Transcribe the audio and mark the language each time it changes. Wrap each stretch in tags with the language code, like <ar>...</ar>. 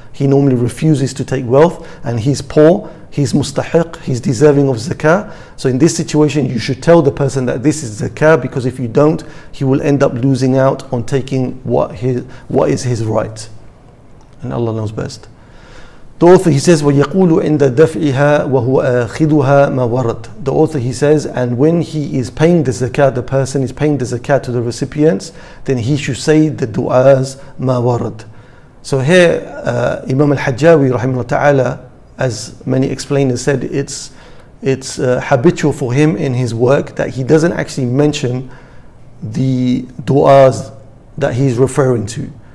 <en>He normally refuses to take wealth, and he's poor, he's mustahiq, he's deserving of zakah. So in this situation, you should tell the person that this is zakah, because if you don't, he will end up losing out on taking what is his right. And Allah knows best. The author, he says,</en> <ar>وَيَقُولُ عِنْدَ دَفْعِهَا وَهُوَ أَخِذُهَا مَا وَرَدْ.</ar> <en>The author, he says, and when he is paying the zakat, the person is paying the zakat to the recipients, then he should say the du'as</en> <ar>مَا وَرَدْ.</ar> <en>So here, Imam al-Hajjawi, rahimahullah ta'ala, as many explainers said, it's habitual for him in his work that he doesn't actually mention the du'as that he's referring to.</en>